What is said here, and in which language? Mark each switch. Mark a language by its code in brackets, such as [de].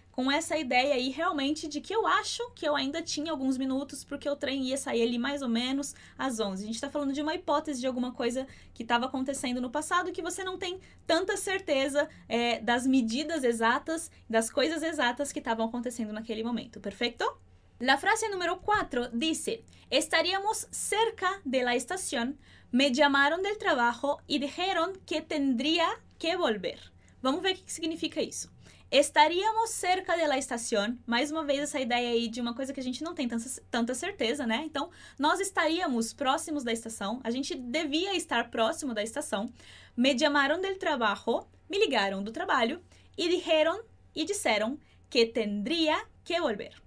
[pt] Com essa ideia aí, realmente, de que eu acho que eu ainda tinha alguns minutos porque o trem ia sair ali mais ou menos às 11. A gente tá falando de uma hipótese de alguma coisa que estava acontecendo no passado que você não tem tanta certeza das medidas exatas, das coisas exatas que estavam acontecendo naquele momento. Perfeito? [es] La frase número 4 dice, estaríamos cerca de la estación, me llamaron del trabajo y dijeron que tendría que volver. [pt] Vamos ver o que significa isso. [es] Estaríamos cerca de la estación, [pt] mais uma vez essa ideia aí de uma coisa que a gente não tem tanta certeza, né? Então, nós estaríamos próximos da estação, a gente devia estar próximo da estação, [es] me llamaron del trabajo, [pt] me ligaram do trabalho, [es] y dijeron, [pt] e disseram que [es] tendría que volver.